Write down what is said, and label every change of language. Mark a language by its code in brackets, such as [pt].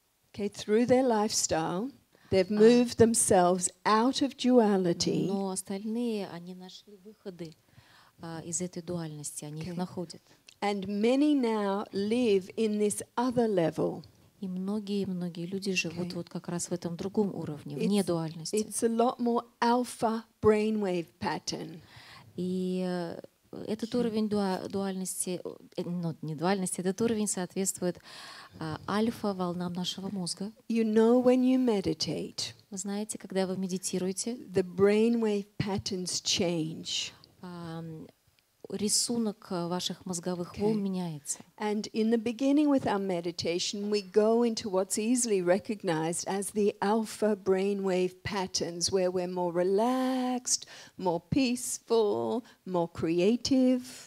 [en] Okay, through their lifestyle, they've moved themselves out of duality. [ru] Но остальные, они нашли выходы из этой дуальности, они их находят. [en] And many now live in this other level. [ru] И многие люди живут вот как раз в этом другом уровне, вне дуальности. [en] It's a lot more alpha brainwave pattern. [ru] И этот уровень дуальности, ну, не дуальности, этот уровень соответствует альфа-волнам нашего мозга. [en] You know when you meditate. [ru] Вы знаете, когда вы медитируете, [en] the brainwave patterns change. [ru] Рисунок ваших мозговых волн меняется. [en] And in the beginning with our meditation, we go into what's easily recognized as the alpha brainwave patterns, where we're more relaxed, more peaceful, more creative.